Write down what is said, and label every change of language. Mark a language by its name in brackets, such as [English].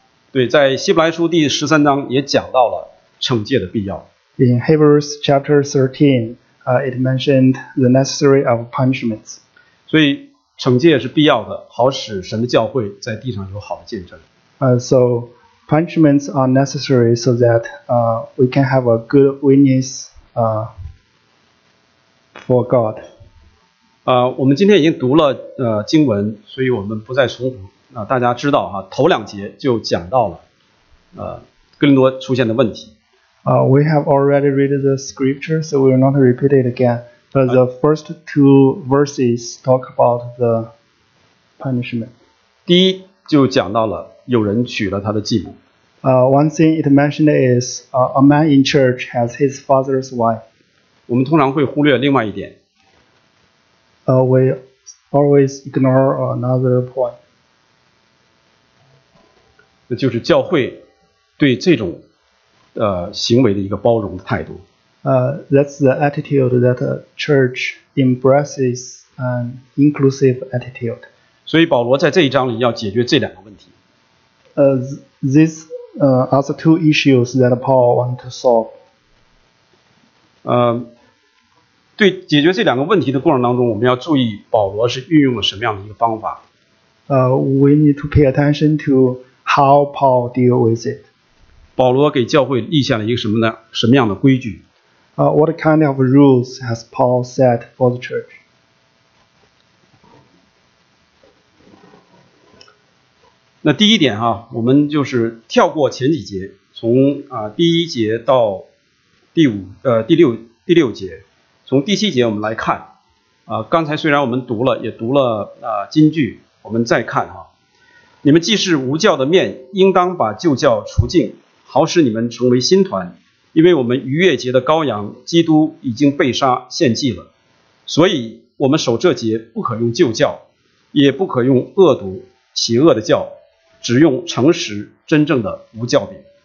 [Chinese] 对，在希伯来书第十三章也讲到了惩戒的必要。 [English] In Hebrews chapter 13, it mentioned the necessity of punishments. [Chinese] 所以惩戒是必要的，好使神的教会在地上有好的见证。 [English] So punishments are necessary so that we can have a good witness for God. [Chinese] 我们今天已经读了经文，所以我们不再重复。大家知道头两节就讲到了哥林多出现的问题。 [English] We have already read the scripture, so we will not repeat it again. But the first two verses talk about the punishment. [Chinese] 第一就讲到了有人娶了他的继母。 [English] One thing it mentioned is a man in church has his father's wife. [Chinese] 我们通常会忽略另外一点。 [English] We always ignore another point. [Chinese] 那就是教会对这种行为的一个包容的态度。 [English] That's the attitude that a church embraces, an inclusive attitude. [Chinese] 所以保罗在这一章里要解决这两个问题。 [English] These are the two issues that Paul wants to solve. [Chinese] 对解决这两个问题的过程当中，我们要注意保罗是运用了什么样的一个方法。 [English] We need to pay attention to how Paul deal with it. [Chinese] 保罗给教会立下了一个什么样的规矩。 [English] What kind of rules has Paul set for the church? [Chinese] 那第一点我们就是跳过前几节，从啊第一节到第五第六节，从第七节我们来看啊，刚才虽然我们读了，也读了啊金句，我们再看哈、啊，你们既是无酵的面，应当把旧酵除净，好使你们成为新团，因为我们逾越节的羔羊基督已经被杀献祭了，所以我们守这节不可用旧酵，也不可用恶毒邪恶的酵，只用诚实真正的无酵饼。